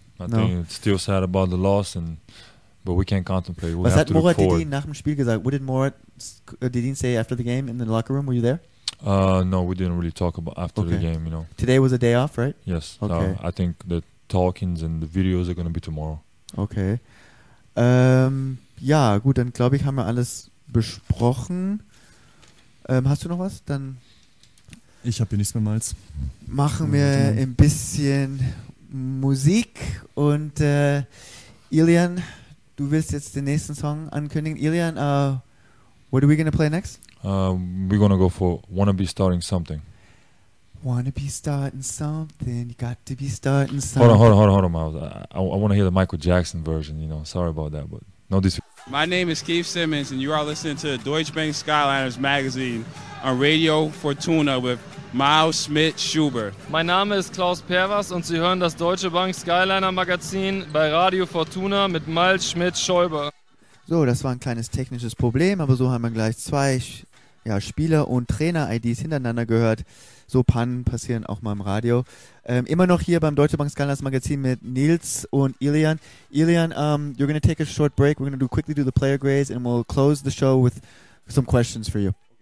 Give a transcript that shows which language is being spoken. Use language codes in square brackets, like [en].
[en] I think it's still sad about the loss, but we can't contemplate. [de] Was hat Murat Dedin nach dem Spiel gesagt? [en] What did Murat Dedin say after the game in the locker room? Were you there? No, we didn't really talk about after the game. You know. Today was a day off, right? Yes. Okay. I think the talkings and the videos are going to be tomorrow. Okay. [de] Ja, gut, dann glaube ich, haben wir alles besprochen. Hast du noch was? Dann ich habe hier nichts mehr, Malz. Machen wir ein bisschen Musik. Und Ilian, du willst jetzt den nächsten Song ankündigen. [en] Ilian, what are we going to play next? We're going to go for Wanna Be Starting Something. Wanna be starting something, you got to be starting something. Hold on, Miles. I want to hear the Michael Jackson version, you know. Sorry about that, but no disrespect. My name is Keith Simmons, and you are listening to Deutsche Bank Skyliners magazine on Radio Fortuna with Miles Schmidt Schuber. [de] Mein Name ist Klaus Perwas, und Sie hören das Deutsche Bank Skyliner Magazin bei Radio Fortuna mit Miles Schmidt Schuber. So, das war ein kleines technisches Problem, aber so haben wir gleich zwei Spieler- und Trainer-IDs hintereinander gehört. So Pannen passieren auch mal im Radio. Immer noch hier beim Deutsche Bank Skyliners Magazin mit Nils und Ilian. [en] Ilian, you're going to take a short break. We're going to quickly do the player grades and we'll close the show with some questions for you.